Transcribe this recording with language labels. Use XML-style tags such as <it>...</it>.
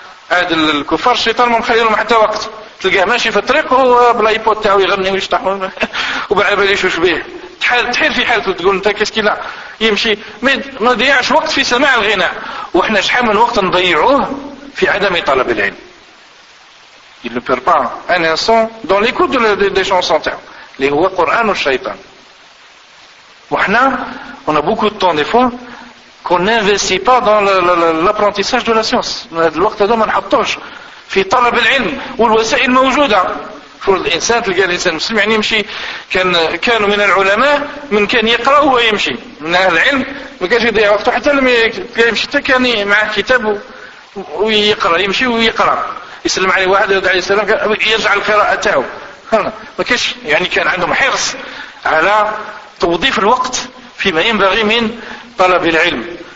<ar>هذا الكفار الشيطان ما مخلي لهم حتى وقت، تلقاه ماشي في الطريق وهو بلا ايبود تاعو يغني ويشطح وبعبالي شو شبيه، تحير في حالته تقول انت كيسكي، لا يمشي ما ضيعش وقت في سماع الغناء. واحنا شحال من وقت نضيعوه في عدم طلب العلم،</ar> <fr>il ne perd pas un instant dans l'écoute des chansons</fr> <ar>تاعو اللي هو قران والشيطان. واحنا</ar> <fr>on a beaucoup de temps des fois qu'on n'investit pas dans l'apprentissage de la science.</fr> <ar>الوقت هذا ما نحطوش في طلب العلم، والوسائل موجودة. فرض الإنسان تلقى الإنسان مسلم يعني يمشي، كانوا من العلماء من كان يقرأ وهو يمشي، من أهل العلم ما كانش يضيع وقته حتى لما يمشي، حتى كان معه كتاب ويقرأ، يمشي ويقرأ، يسلم عليه واحد يرد عليه السلام يرجع القراءة تاعو، ما كانش يعني كان عندهم حرص على توظيف الوقت فيما ينبغي من طلب العلم.</ar>